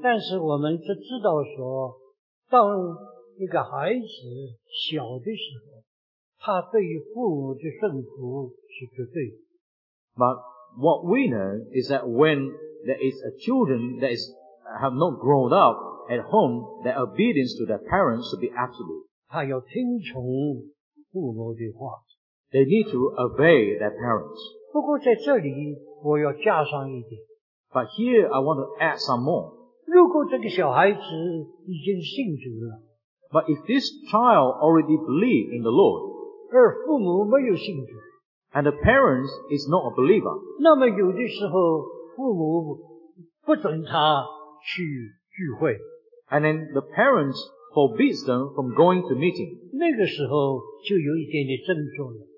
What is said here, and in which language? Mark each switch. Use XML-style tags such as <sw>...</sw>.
<zh>但是我们就知道说, 当一个孩子小的时候, 他对于父母的顺服是绝对,</zh> <en>but what we know is that when there is a children that is have not grown up, at home, their obedience to their parents should be absolute.</en> <zh>他要听从父母的话,</zh> <en>they need to obey their parents.</en> <zh>不过在这里我要加上一点,</zh> <en>but here I want to add some more.</en> <zh>如果这个小孩子已经信主了,</zh> <en>but if this child already believes in the Lord,</en> <zh>而父母没有信主,</zh> <en>and the parents is not a believer,</en> <zh>那么有的时候父母不准他去聚会,</zh> <en>and then the parents forbids them from going to meeting.</en> <zh>那个时候就有一点点症状了,</zh>